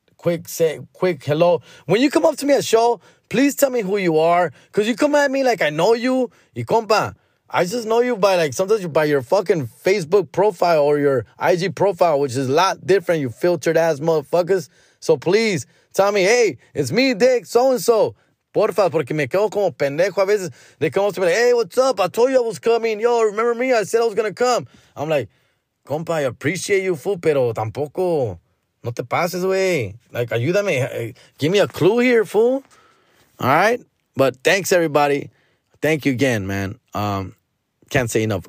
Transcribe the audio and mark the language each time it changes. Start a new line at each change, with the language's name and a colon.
English: Quick hello. When you come up to me at show, please tell me who you are. Because you come at me like I know you. Y compa, I just know you by like sometimes by your fucking Facebook profile or your IG profile, which is a lot different, you filtered ass motherfuckers. So please tell me, hey, it's me, Dick, so-and-so.
Spanish: Porfa, porque me quedo como pendejo a veces.
English: They come up to me like, hey, what's up? I told you I was coming. Yo, remember me? I said I was going to come. I'm like, compa, I appreciate you, fool,
Spanish: pero tampoco. No te pases, güey.
English: Like,
Spanish: ayúdame.
English: Give me a clue here, fool. All right? But thanks, everybody. Thank you again, man. Can't say enough.